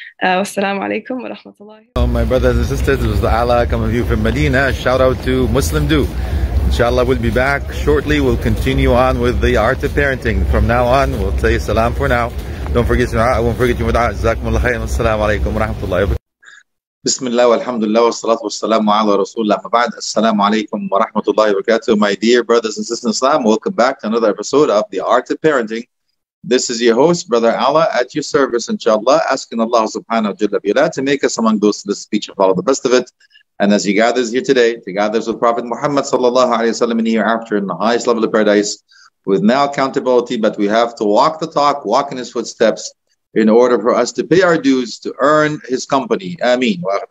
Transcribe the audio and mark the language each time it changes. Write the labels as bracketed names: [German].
[English] Wassalamu alaikum wa rahmatullahi. Hello, my brothers and sisters, this is the Ala coming to you from Medina. Shout out to Muslim Duo. Inshallah, we'll be back shortly. We'll continue on with the art of parenting. From now on, we'll say salam for now. Don't forget to I won't forget you. Jazakumullah khair. Wassalamu alaikum wa rahmatullahi. [Arabic] بسم الله والحمد لله والصلاة والسلام على رسول الله بعد السلام عليكم ورحمة الله وبركاته. [English] My dear brothers and sisters in Islam, welcome back to another episode of The Art of Parenting. This is your host, Brother Allah, at your service, inshallah, asking Allah subhanahu wa ta'ala to make us among those to the speech of Allah, the best of it. And as he gathers here today, he gathers with Prophet Muhammad sallallahu alayhi wa sallam in the hereafter in the highest level of paradise with no accountability, but we have to walk the talk, walk in his footsteps, in order for us to pay our dues to earn his company. Ameen.